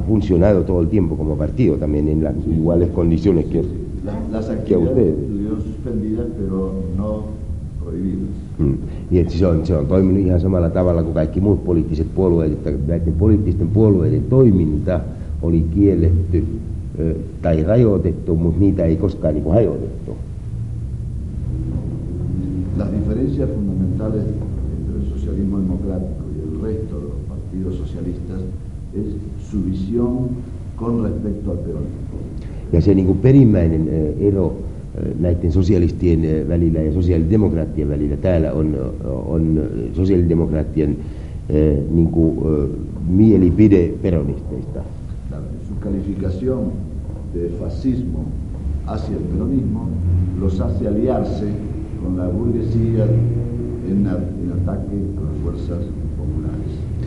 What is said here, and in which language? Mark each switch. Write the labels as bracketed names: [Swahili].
[Spanish] funcionado todo el tiempo como partido también en las iguales condiciones que ustedes. Las actividades estuvieron suspendidas pero no prohibidas. [Finnish] Niin, se on toiminut ihan samalla tavalla kuin kaikki muut poliittiset puolueet, että näiden poliittisten puolueiden toiminta oli kielletty tai rajoitettu, mutta niitä ei koskaan niin kuin hajotettu. [Spanish] Las diferencias fundamentales entre el socialismo democrático y el resto de los partidos socialistas es su visión con respecto al peronismo. [Finnish] Ja se niin kuin perimmäinen ero näiden sosialistien välillä ja sosiaalidemokraattien välillä täällä on sosiaalidemokraattien niin kuin mielipide peronisteista. [Spanish] Su calificación de fascismo hacia el peronismo los hace aliarse con la burguesía en ataque a las fuerzas populares.